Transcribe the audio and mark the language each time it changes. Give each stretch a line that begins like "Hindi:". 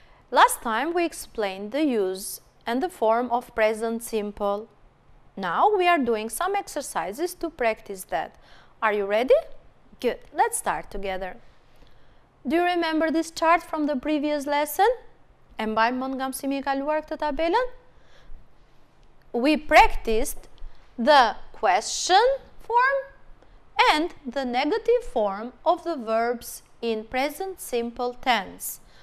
English: Last time we explained the use and the form of present simple. Now we are doing some exercises to practice that. Are you ready? Good, let's start together. Do you remember this chart from the previous lesson?
Albanian: E mbajmë nga mësimi I kaluar këtë tabelën?
English: We practiced the question form and the negative form of the verbs in present simple tense.